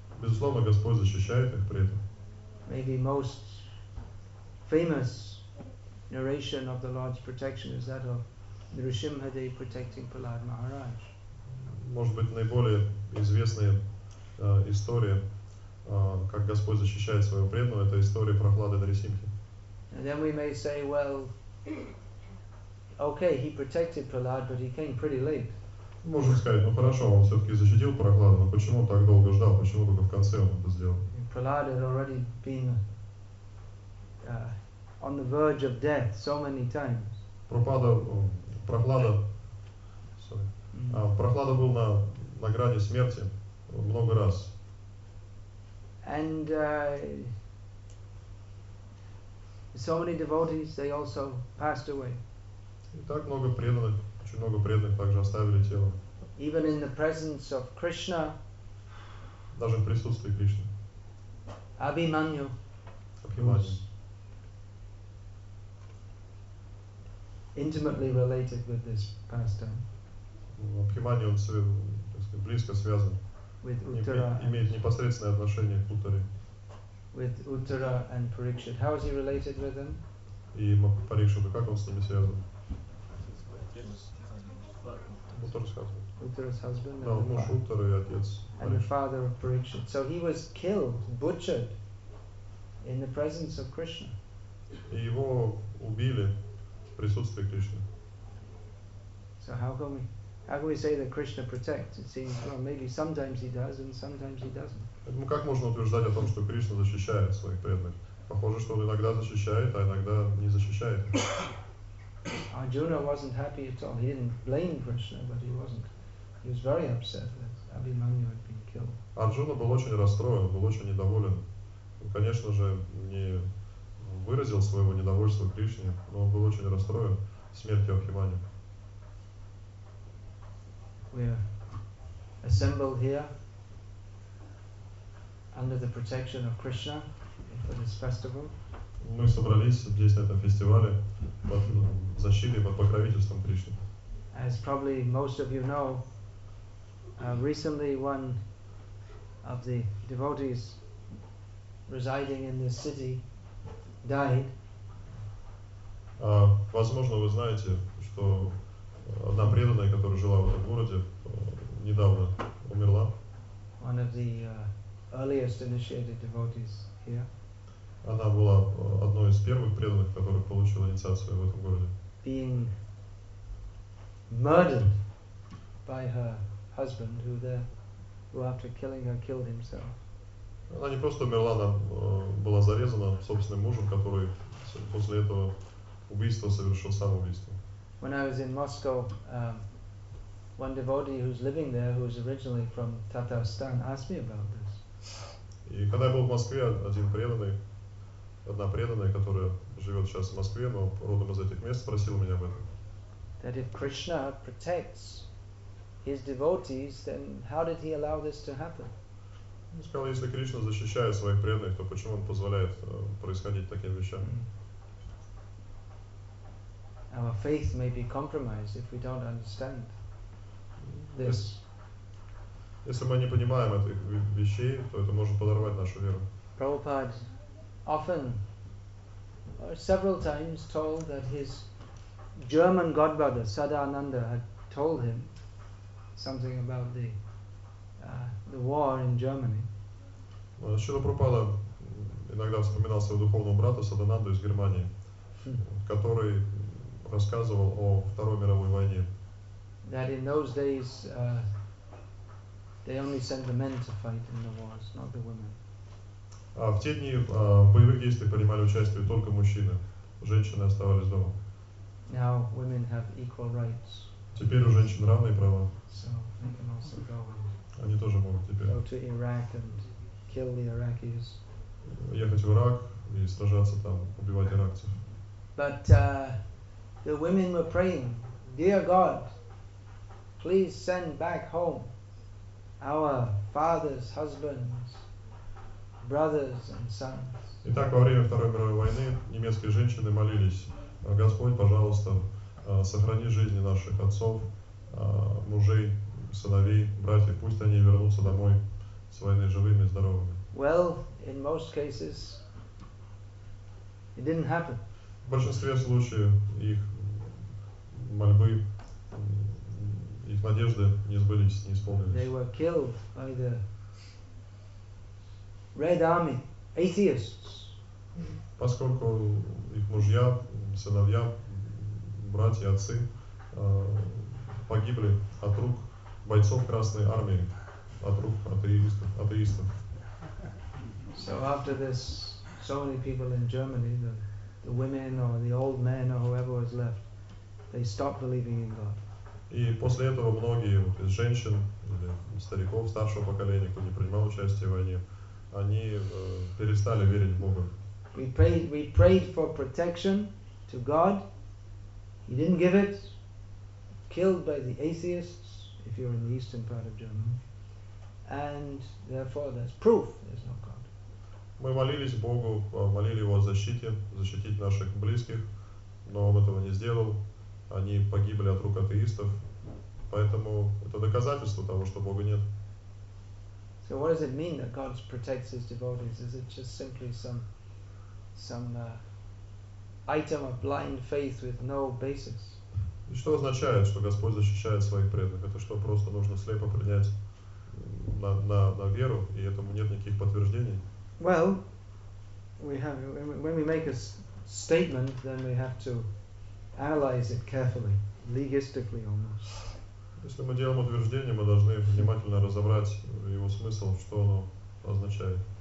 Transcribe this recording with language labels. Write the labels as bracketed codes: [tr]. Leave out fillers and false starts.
[ru] Безусловно, Господь защищает их при этом. [en] Maybe most famous narration of the Lord's protection is that of Nrisimhadev protecting Prahlad Maharaj. [ru] Может быть, наиболее известная история, как Господь защищает своего преданного, это история Прохлады Нарисимхи. [en] And then we may say, well, okay, he protected Prahlad, but he came pretty late. [ru] Можно сказать, ну хорошо, он все-таки защитил Прохлада, но почему он так долго ждал, почему только в конце он это сделал? [en] Prahlad had already been on the verge of death so many times. [ru] Прохлада был на грани смерти много раз. [en] And so many devotees, they also passed away. [ru] И так много преданных, очень много преданных также оставили тело. [en] Even in the presence of Krishna. [ru] Даже в присутствии Кришны. [en] Abhimanyu. [ru] Abhimanyu. [en] Intimately related with this pastime. [ru] Abhimanyu, он, так сказать, близко связан. [en] With Uttara. [ru] Имеет непосредственное отношение к Уттаре. [en] With Uttara and Parikshit. How is he related with them? [ru] И Парикшита, как он с ними связан? [en] Uttara's husband. [ru] Да, муж Уттары и отец. [en] And the father of Parikshit. So he was killed, butchered in the presence of Krishna. [ru] И его убили в присутствии Кришны. [en] So how can we say that Krishna protects? It seems, well, maybe sometimes he does and sometimes he doesn't. [ru] Поэтому как можно утверждать о том, что Кришна защищает своих преданных? Похоже, что он иногда защищает, а иногда не защищает. [en] Arjuna wasn't happy at all. He didn't blame Krishna, but he wasn't. He was very upset that Abhimanyu had been killed. [ru] Arjuna был очень расстроен, был очень недоволен. Он, конечно же, не выразил своего недовольства Кришне, но он был очень расстроен смертью Абхимани. [en] We are assembled here under the protection of Krishna for this festival. [ru] Мы собрались здесь на этом фестивале под защитой, под покровительством Кришны. [en] As probably most of you know, recently one of the devotees residing in this city died. [ru] Возможно, вы знаете, что одна преданная, которая жила в этом городе, недавно умерла. [en] One of the earliest initiated devotees here. [ru] Она была одной из первых преданных, которая получила инициацию в этом городе. [en] Being murdered by her husband, who after killing her killed himself. [ru] Она не просто умерла, она была зарезана собственным мужем, который после этого убийства совершил самоубийство. [en] When I was in Moscow, one devotee who's living there, who was originally from Tatarstan, asked me about this. [ru] И когда я был в Москве, один преданный, одна преданная, которая живет сейчас в Москве, но родом из этих мест, спросила меня об этом. [en] That if Krishna protects his devotees, then how did he allow this to happen? [ru] Он сказал, если Кришна защищает своих преданных, то почему он позволяет происходить таким вещам? [en] Our faith may be compromised if we don't understand this. [ru] Если мы не понимаем этих вещей, то это может подорвать нашу веру. [en] Prabhupada often, or several times, told that his German godbrother, Sadananda, had told him something about the war in Germany. [ru] Шрила Прабхупада иногда вспоминал своего духовного брата Садананду из Германии, который рассказывал о Второй мировой войне. [en] That in those days they only sent the men to fight in the wars, not the women. [ru] В те дни боевых действий принимали участие только мужчины, женщины оставались дома. [en] Now women have equal rights. [ru] Теперь у женщин равные права. [en] So they can also go and [ru] они тоже могут теперь. [en] Go to Iraq and kill the Iraqis. [ru] Ехать в Ирак и сражаться там, убивать иракцев. [en] But the women were praying, dear God, please send back home our fathers, husbands, brothers and sons. [ru] Итак, во время Второй мировой войны немецкие женщины молились: Господь, пожалуйста, сохрани жизни наших отцов, мужей, сыновей, братьев, пусть они вернутся домой с войны живыми и здоровыми. [en] Well, in most cases, it didn't happen. [ru] В большинстве случаев их мольбы, их надежды не сбылись, не исполнились. [en] They were killed by the Red Army, atheists. [ru] Поскольку их мужья, сыновья, братья, отцы погибли от рук бойцов Красной Армии, от рук атеистов. [en] So after this, so many people in Germany, the the women or the old men or whoever was left, they stopped believing in God. И после этого многие вот, из женщин или стариков старшего поколения, кто не принимал участие в войне, они перестали верить в Бога. We prayed for protection to God. He didn't give it. Killed by the atheists, if you're in the eastern part of Germany. And therefore there's proof there's no God. [ru] Мы молились Богу, молили его о защите, защитить наших близких, но он этого не сделал. Они погибли от рук атеистов. Поэтому это доказательство того, что Бога нет. [en] So what does it mean that God protects his devotees? Is it just simply some item of blind faith with no basis? [ru] И что означает, что Господь защищает своих преданных? Это что, просто нужно слепо принять на веру, и этому нет никаких подтверждений? [en] Well, we have, when we make a statement, then we have to analyze it carefully, legistically almost. [ru] Если мы делаем утверждение, мы должны внимательно разобрать его смысл, что оно означает.